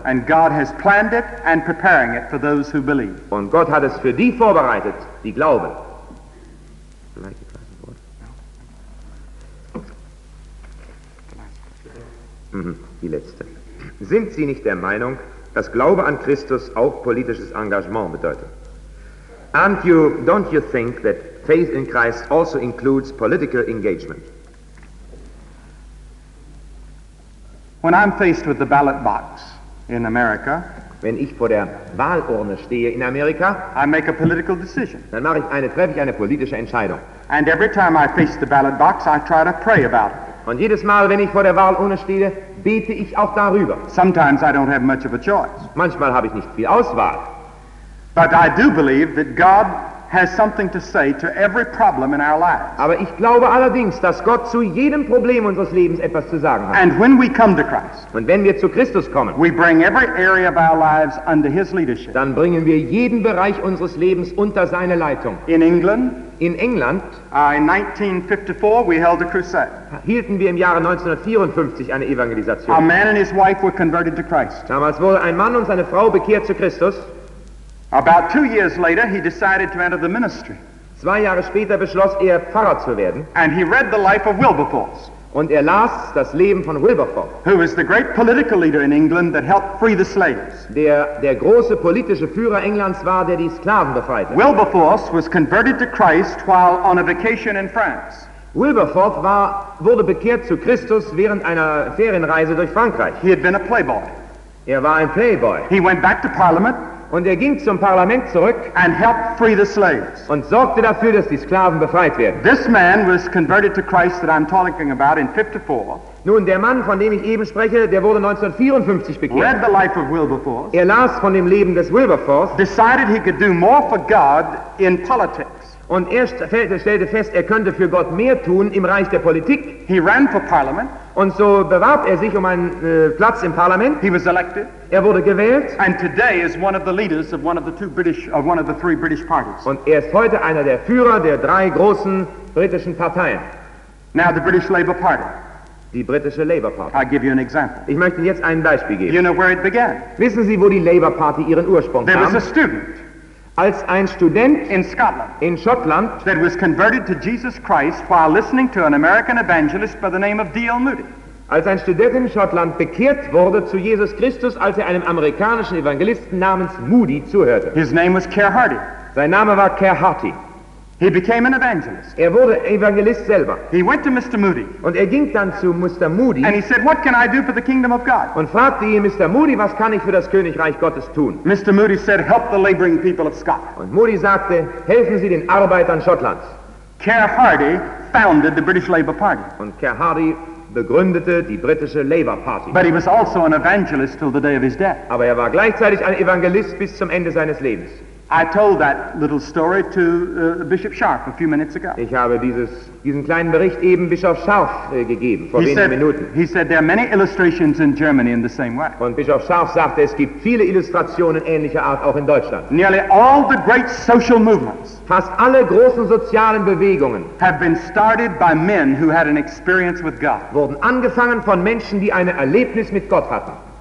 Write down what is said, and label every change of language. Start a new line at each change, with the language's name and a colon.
English: And God has planned it and preparing it for those who believe.
German: Und Gott hat es für die vorbereitet, die glauben. Die letzte. Sind Sie nicht der Meinung, dass Glaube an Christus auch politisches Engagement bedeutet?
English: Don't you think that faith in Christ also includes political engagement? When I'm faced with the ballot box in America,
German: wenn ich vor der Wahlurne stehe in Amerika,
English: I make a political decision.
German: Dann treffe ich eine politische Entscheidung.
English: And every time I face the ballot box, I try to pray about it.
German: Und jedes Mal, wenn ich vor der Wahlurne stehe, bete ich auch darüber.
English: Sometimes I don't have much of a choice.
German: Manchmal habe ich nicht viel Auswahl.
English: But I do believe that God has something to say to every problem in our lives.
German: Aber ich glaube allerdings, dass Gott zu jedem Problem unseres Lebens etwas zu sagen hat.
English: And when we come to Christ,
German: und wenn wir zu Christus kommen,
English: we bring every area of our lives under his leadership.
German: Dann bringen wir jeden Bereich unseres Lebens unter seine Leitung.
English: In England, in 1954 we held a crusade.
German: Hielten wir im Jahre 1954 eine Evangelisation.
English: A man and his wife were converted to Christ.
German: Damals wurde ein Mann und seine Frau bekehrt zu Christus.
English: About 2 years later, he decided to enter the ministry.
German: 2 Jahre später beschloss er, Pfarrer zu werden.
English: And he read the life of Wilberforce.
German: Und er las das Leben von Wilberforce.
English: Who was the great political leader in England that helped free the slaves.
German: Der große politische Führer Englands war, der die Sklaven befreite.
English: Wilberforce was converted to Christ while on a vacation in France.
German: Wilberforce wurde bekehrt zu Christus während einer Ferienreise durch Frankreich.
English: He had been a playboy.
German: Er war ein Playboy.
English: He went back to Parliament.
German: Und er ging zum Parlament zurück
English: and helped free the slaves.
German: Und sorgte dafür, dass die Sklaven befreit werden.
English: This man was converted to Christ that I'm talking about in 54.
German: Nun, der Mann, von dem ich eben spreche, der wurde 1954 bekehrt.
English: Read the life of Wilberforce.
German: Er las von dem Leben des Wilberforce.
English: Decided he could do more for God in politics.
German: Und er stellte fest, er könnte für Gott mehr tun im Reich der Politik.
English: He ran for Parliament.
German: Und so bewarb er sich um einen Platz im Parlament.
English: He was elected.
German: Er wurde gewählt.
English: And today is one of the leaders of one of the three British parties.
German: Und er ist heute einer der Führer der drei großen britischen Parteien.
English: Now the British Labour Party.
German: Die britische Labour Party.
English: I'll give you an example.
German: Ich möchte jetzt ein Beispiel geben.
English: You know where it began.
German: Wissen Sie, wo die Labour Party ihren Ursprung
English: there
German: nahm?
English: There was a student.
German: Als ein Student
English: in Scotland,
German: in Schottland,
English: that was converted to Jesus Christ while listening to an American evangelist by the name of D.L. Moody.
German: Als ein Student in Schottland bekehrt wurde zu Jesus Christus, als er einem amerikanischen Evangelisten namens Moody zuhörte.
English: His name was Ker Hardy.
German: Sein Name war Ker Hardy.
English: He became an evangelist.
German: Er wurde Evangelist selber.
English: He went to Mr. Moody.
German: Und er ging dann zu Mr. Moody.
English: And he said, "What can I do for the kingdom of God?"
German: Und fragte ihn, Mr. Moody, was kann ich für das Königreich Gottes tun?
English: Mr. Moody said, "Help the laboring people of Scotland."
German: Und Moody sagte, helfen Sie den Arbeitern Schottlands.
English: Ker Hardy founded the British Labour Party.
German: Und Ker Hardy begründete die britische Labour Party.
English: But he was also an evangelist till the day of his death.
German: Aber er war gleichzeitig ein Evangelist bis zum Ende seines Lebens.
English: I told that little story to Bishop Scharf a few minutes ago.
German: Ich habe diesen kleinen Bericht eben Bischof Scharf gegeben vor wenigen Minuten.
English: He said there are many illustrations in Germany in the same way.
German: Und Bischof Scharf sagte, es gibt viele Illustrationen ähnlicher Art auch in Deutschland.
English: Nearly all the great social movements,
German: fast alle großen sozialen Bewegungen,
English: have been started by men who had an experience with God.
German: Wurden angefangen von Menschen, die eine Erlebnis mit Gott hatten.